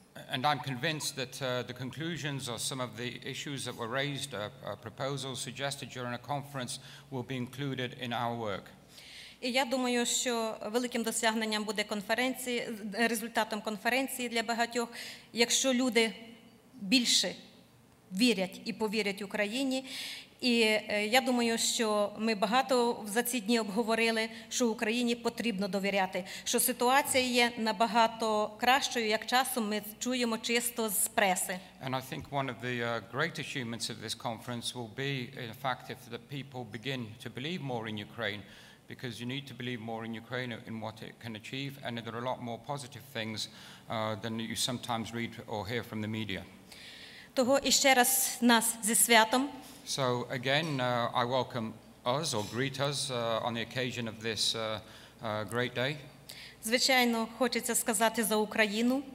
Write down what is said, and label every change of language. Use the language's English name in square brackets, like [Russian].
[English] And I'm convinced that the conclusions or some of the issues that were raised, proposals suggested during a conference, will be included in our work. [Ukrainian] І я думаю, що великим досягненням буде конференції, результатом конференції для багатьох, якщо люди більше вірять і повірять Україні. І я думаю, що ми багато за ці дні обговорили, що Україні потрібно довіряти, що ситуація є набагато кращою, як часом ми чуємо чисто з преси. [English] And I think one of the great achievements of this conference will be in fact if the people begin to believe more in Ukraine. Because you need to believe more in Ukraine in what it can achieve, and there are a lot more positive things than you sometimes read or hear from the media. [Ukrainian] Того і ще раз нас зі святом. [English] So again, I welcome us or greet us on the occasion of this great day. [Ukrainian] Звичайно, хочеться сказати за Україну.